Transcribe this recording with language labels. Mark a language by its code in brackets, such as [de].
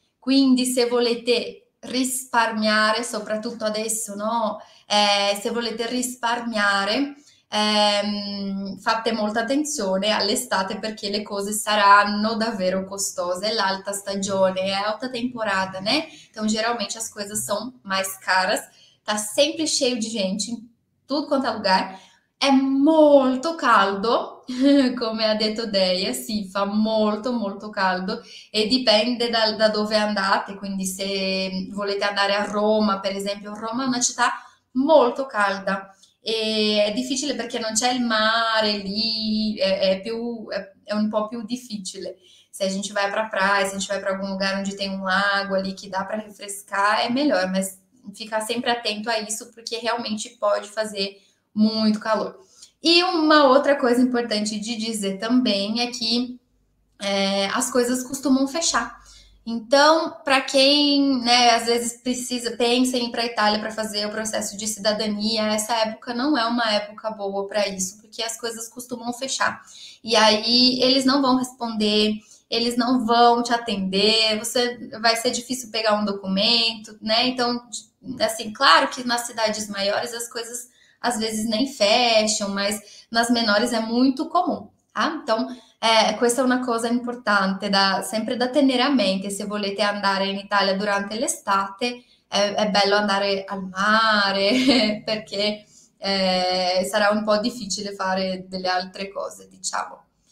[it] Quindi se volete risparmiare, soprattutto adesso, no? Se volete risparmiare, fate molta attenzione all'estate perché le cose saranno davvero costose. È l'alta stagione, è [pt] alta temporada, né? Então, geralmente as coisas são mais caras. [it] Tá sempre cheio di gente, in tutto quanto è lugar. È molto caldo, come ha detto Deia, sì, fa molto molto caldo e dipende da dove andate, quindi se volete andare a Roma, per esempio, Roma è una città molto calda e è difficile perché non c'è il mare lì, è un po' più difficile. [pt] Se a gente vai para praia, se a gente vai para algum lugar onde tem um lago ali que dá para refrescar, é melhor, mas ficar sempre atento a isso porque realmente pode fazer muito calor. E uma outra coisa importante de dizer também é que as coisas costumam fechar. Então, para quem, né, às vezes pensa em ir para a Itália para fazer o processo de cidadania, essa época não é uma época boa para isso, porque as coisas costumam fechar. E aí eles não vão responder, eles não vão te atender, vai ser difícil pegar um documento, né? Então, assim, claro que nas cidades maiores as coisas às vezes nem fecham, mas nas menores é muito comum, tá? Então, questa é uma coisa importante, sempre [it] da tenere a mente. Se volete andare in Italia durante l'estate, è bello andare al mare, perché sarà un po' difficile fare delle altre cose, diciamo.